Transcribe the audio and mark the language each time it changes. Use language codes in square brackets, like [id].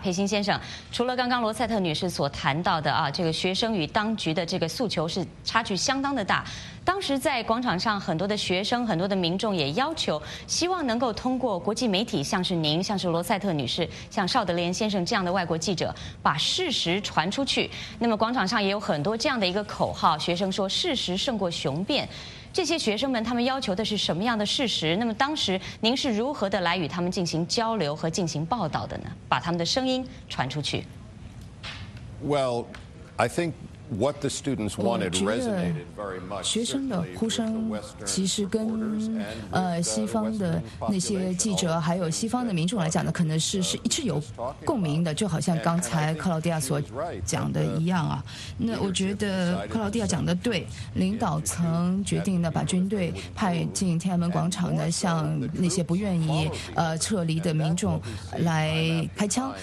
[zh] 裴欣先生，除了刚刚罗塞特女士所谈到的这个学生与当局的这个诉求是差距相当的大，当时在广场上很多的学生、很多的民众也要求，希望能够通过国际媒体，像是您、像是罗塞特女士、像邵德莲先生这样的外国记者，把事实传出去。那么广场上也有很多这样的一个口号，学生说事实胜过雄辩，这些学生们他们要求的是什么样的事实？那么当时您是如何的来与他们进行交流和进行报道的呢？把他们的声音传出去。 [en] Well, I think what the students wanted resonated very much. [zh] 学生的呼声其实跟西方的那些记者还有西方的民众来讲的，可能是有共鸣的，就好像刚才克劳迪亚所讲的一样啊。那我觉得克劳迪亚讲的对，领导层决定呢把军队派进天安门广场呢，向那些不愿意撤离的民众来开枪。